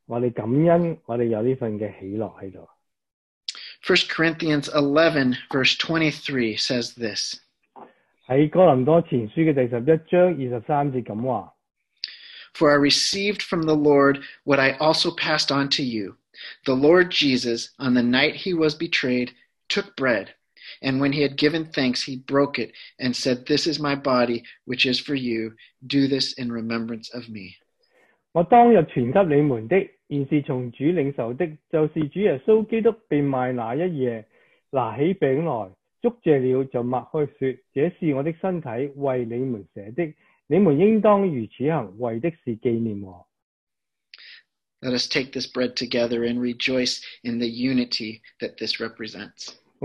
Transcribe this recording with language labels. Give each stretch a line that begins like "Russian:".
Chinese: 我们今天在国庆的日子里面,我们就是这个庆祝,我们感恩,我们有这份的喜乐在这里。
English: 1 Corinthians 11, verse 23 says this.
Chinese: 在哥林多前书的第11章23节这么说。
English: For I received from the Lord what I also passed on to you. The Lord Jesus, on the night he was betrayed, took bread, and when he had given thanks, he broke it and said, This is my body, which is for you. Do this in remembrance of me.
Chinese: 我当日传给你们的,现是从主领受的,就是主耶稣基督被卖那一夜,拿起饼来,捉着了就擘开说,这是我的身体,为你们舍的。
English: Let us take this bread together and rejoice in the unity that this represents.